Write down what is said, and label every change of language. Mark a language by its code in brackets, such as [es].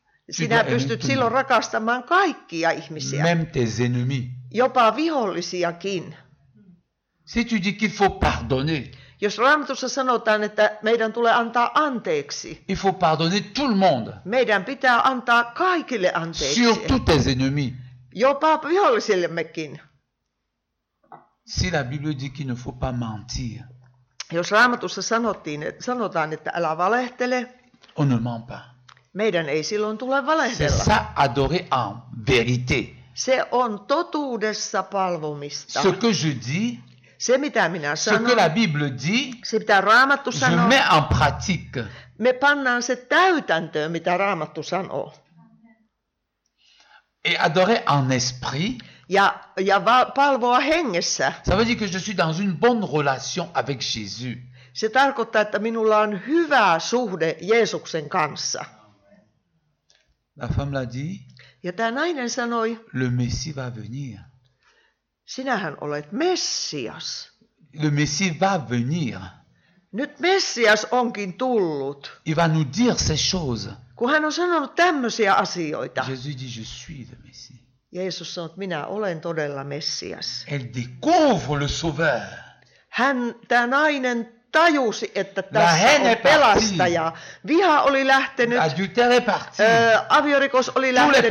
[fi] Sinä pystyt silloin rakastamaan kaikkia ihmisiä. [fr] Même tes ennemis. [fi] Jopa vihollisiakin. [fr] Si tu dis qu'il faut pardonner. [fi] Jos Raamatussa sanotaan, että meidän tulee antaa anteeksi. [fr] Il faut pardonner tout le monde. [fi] Meidän pitää antaa kaikille anteeksi. [fr] Surtout tes ennemis. [fi] Jopa vihollisillemmekin. [fr] Si la Bible dit qu'il ne faut pas mentir. [fi] Jos Raamatussa sanotaan, että älä valehtele. [fr] On ne ment pas. [fi] Meidän ei silloin tule valehdella. [fr] C'est ça adorer en vérité. [fi] Se on totuudessa palvomista. [fr] Ce que je dis, [fi] se mitä minä sanon, [fr] ce que la Bible dit, [fi] se mitä Raamattu sanoo, [fr] je mets en pratique. [fi] Me pannaan se täytäntöön, mitä Raamattu sanoo. [fr] Et adorer en esprit, [fi] ja palvoa hengessä. [fr] Ça veut dire que je suis dans une bonne relation avec Jésus. [fi] Se tarkoittaa, että minulla on hyvä suhde Jeesuksen kanssa. [fr] La femme l'a dit. [fi] Ja tämä nainen sanoi, [fr] le Messie va venir. [fi] Sinähän olet Messias. [fr] Le Messie va venir. [fi] Nyt Messias onkin tullut. [fr] Il va nous dire ces choses. [fi] Kun hän on sanonut tämmöisiä asioita. [fr] Jésus dit, je suis le Messie. [fi] Jeesus sanoo, että minä olen todella Messias. [fr] Elle découvre le sauveur. [fi] Hän, tämä nainen tajusi, että tässä on pelastaja. Viha oli lähtenyt. [fr] Adultère est parti. [fi] Aviorikos oli lähtenyt.